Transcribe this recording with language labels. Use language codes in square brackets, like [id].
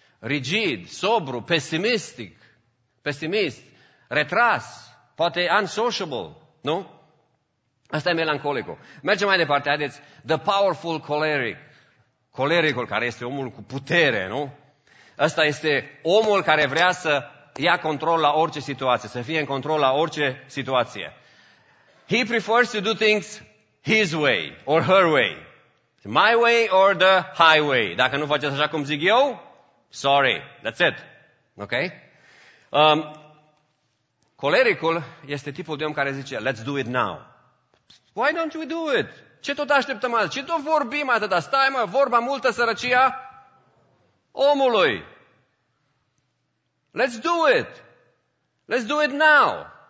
[ro] Rigid, sobru, pesimistic, pesimist, retras, poate unsociable, nu? Asta e melancolicul. Mergem mai departe, haideți, the powerful choleric. Colericul care este omul cu putere, nu? Ăsta este omul care vrea să ia control la orice situație, să fie în control la orice situație. [en] He prefers to do things his way or her way. My way or the highway. [ro] Dacă nu faceți așa cum zic eu, sorry, that's it. Ok? Colericul este tipul de om care zice, let's do it now. Why don't we do it? Ce tot așteptăm azi? Ce tot vorbim atâta? Stai mă, vorba multă sărăcia omului. Let's do it. Let's do it now.